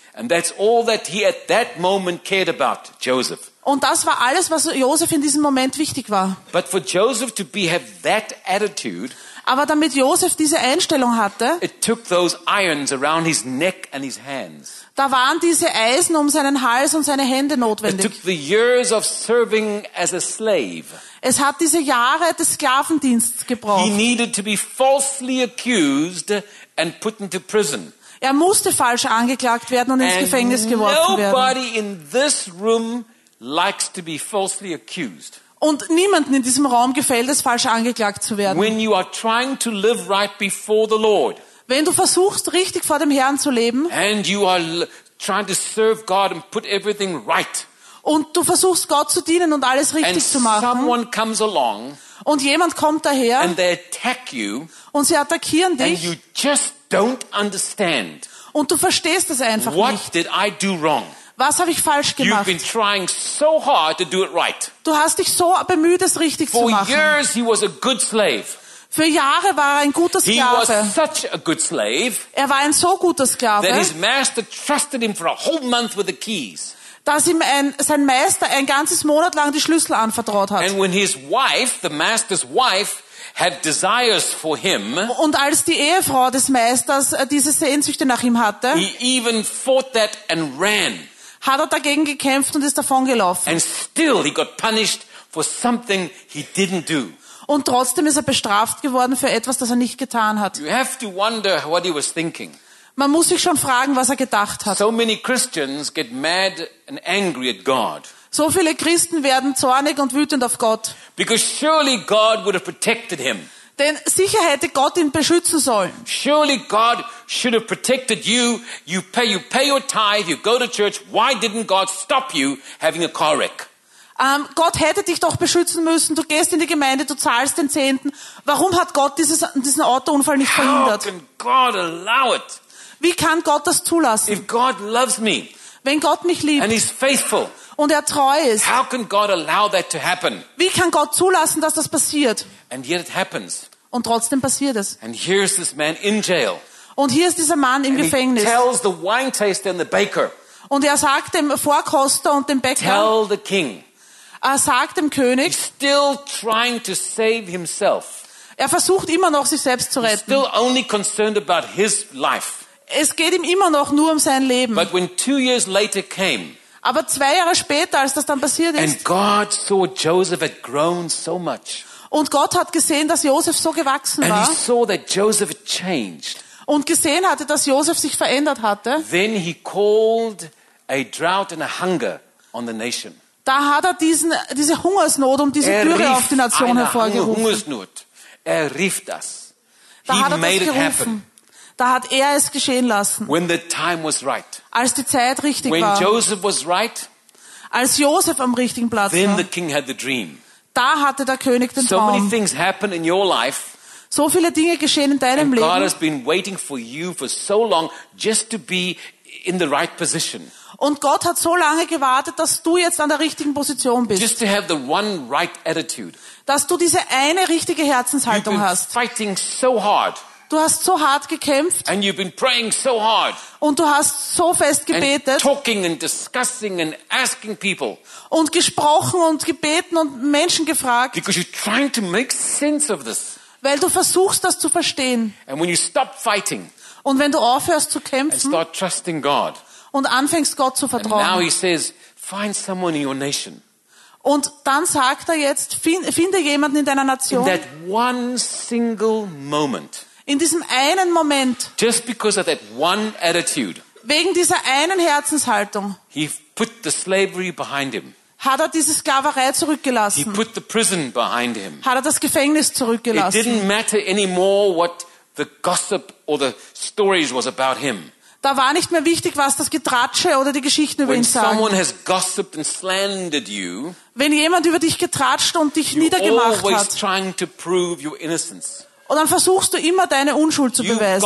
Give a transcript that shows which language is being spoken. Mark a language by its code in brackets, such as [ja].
[en] And that's all that he at that moment cared about, Joseph. [de] Und das war alles, was Joseph in diesem Moment wichtig war. [en] But for Joseph to be have that attitude. [de] Aber damit Joseph diese Einstellung hatte. [en] It took those irons around his neck and his hands. [de] Da waren diese Eisen um seinen Hals und seine Hände notwendig. [en] It took the years of serving as a slave. [de] Es hat diese Jahre des Sklavendienstes gebraucht. [en] He needed to be falsely accused and put into prison. [de] Er musste falsch angeklagt werden und ins Gefängnis geworfen werden. [en] Nobody in this room likes to be falsely accused. [de] Und niemanden in diesem Raum gefällt es, falsch angeklagt zu werden. [en] When you are trying to live right before the Lord. [de] Wenn du versuchst, richtig vor dem Herrn zu leben. [en] And you are trying to serve God and put everything right. [de] Und du versuchst, Gott zu dienen und alles richtig [en] and [de] zu machen. [en] Someone comes along. [de] Und jemand kommt daher. [en] And they attack you. [de] Und sie attackieren dich. [en] And you just don't understand. [de] Und du verstehst es einfach [en] what [de] nicht. [en] What did I do wrong? [de] Was habe ich falsch gemacht? [en] You've been trying so hard to do it right. [de] Du hast dich so bemüht, es richtig [en] for [de] zu machen. [en] For years he was a good slave. [de] Für Jahre war er ein guter Sklave. [en] He was such a good slave. [de] Er war ein so guter Sklave. [en] That his master trusted him for a whole month with the keys. [de] Dass ihm sein Meister ein ganzes Monat lang die Schlüssel anvertraut hat. [en] And when his wife, the master's wife, had desires for him. [de] Und als die Ehefrau des Meisters diese Sehnsüchte nach ihm hatte. [en] He even fought that and ran. [de] Hat er dagegen gekämpft und ist davon gelaufen. [en] And still he got punished for something he didn't do. [de] Und trotzdem ist er bestraft geworden für etwas, das er nicht getan hat. [en] You have to wonder what he was thinking. [de] Man muss sich schon fragen, was er gedacht hat. [en] So many Christians get mad and angry at God. [de] So viele Christen werden zornig und wütend auf Gott. [en] Because surely God would have protected him. [de] Denn sicher hätte Gott ihn beschützen sollen. [en] Surely God should have protected you. You pay your tithe, you go to church. Why didn't God stop you having a car wreck? [de] Gott hätte dich doch beschützen müssen. Du gehst in die Gemeinde, du zahlst den Zehnten. Warum hat Gott diesen Autounfall nicht verhindert? [en] How can God allow it? [de] Wie kann Gott das zulassen? [en] If God loves me, [de] wenn Gott mich liebt [en] and he's faithful, [de] und er treu ist, [en] how can God allow that to happen? [de] Wie kann Gott zulassen, dass das passiert? [en] And yet it happens. [de] Und trotzdem passiert es. [en] And here's this man in jail. [de] Und hier ist dieser Mann im [en] and [de] Gefängnis. [en] He tells the wine taster and the baker, [de] und er sagt dem Vorkoster und dem Bäcker, [en] tell the king, [de] er sagt dem König, [en] he's still trying to save himself. [de] Er versucht immer noch, sich selbst zu retten. [en] He's still only concerned about his life. [de] Es geht ihm immer noch nur um sein Leben. [en] But when 2 years later came, [de] aber 2 Jahre später, als das dann passiert ist, [en] and God saw Joseph had grown so much, [de] und Gott hat gesehen, dass Joseph so gewachsen [en] and he saw that Joseph had changed, [de] und gesehen hatte, dass Joseph sich verändert hatte, then he called a drought and a hunger on the nation. Da hat er diese Hungersnot und diese Dürre auf die Nation hervorgerufen. Hungersnot. Er rief das. Da he hat er made das gerufen. Happen. Da hat er es geschehen lassen. [en] When the time was right. [de] Als die Zeit richtig [en] when [de] war. [en] Joseph was right, [de] als Joseph am richtigen Platz [en] then [de] war. [en] The king had the dream. [de] Da hatte der König den [en] so [de] Traum. [en] Many things happen in your life, [de] so viele Dinge geschehen in deinem [en] and [de] Leben. [en] God has been waiting for you for so long just to be in the right position. [de] Und Gott hat so lange gewartet, dass du jetzt an der richtigen Position bist. [en] Just to have the one right attitude. [de] Dass du diese eine richtige Herzenshaltung [en] you've been [de] hast. [en] Fighting so hard. [de] Du hast so hart gekämpft. [en] And you've been praying so hard. [de] Und du hast so fest gebetet. [en] And talking and discussing and asking people. [de] Und gesprochen und gebeten und Menschen gefragt. [en] Because you're trying to make sense of this. [de] Weil du versuchst, das zu verstehen. [en] And when you stop fighting. [de] Und wenn du aufhörst zu kämpfen. [en] And start trusting God. [de] Und anfängst, Gott zu vertrauen. [en] And now he says, find someone in your nation. [de] Und dann sagt er jetzt, finde jemanden in deiner Nation. [en] In that one single moment. [de] In diesem einen Moment, [en] just because of that one attitude, [de] wegen dieser einen Herzenshaltung, [en] he put the slavery behind him. [de] Hat er diese Sklaverei zurückgelassen. [en] He put the prison behind him. [de] Hat er das Gefängnis zurückgelassen. [en] It didn't matter anymore what the gossip or the stories was about him. [de] Da war nicht mehr wichtig, was das Getratsche oder die Geschichten über [en] when [de] ihn sagen. [en] When someone has gossiped and slandered you, [de] wenn jemand über dich getratscht und dich niedergemacht hat, [en] you're always trying to prove your innocence. [de] Und dann versuchst du immer, deine Unschuld zu beweisen.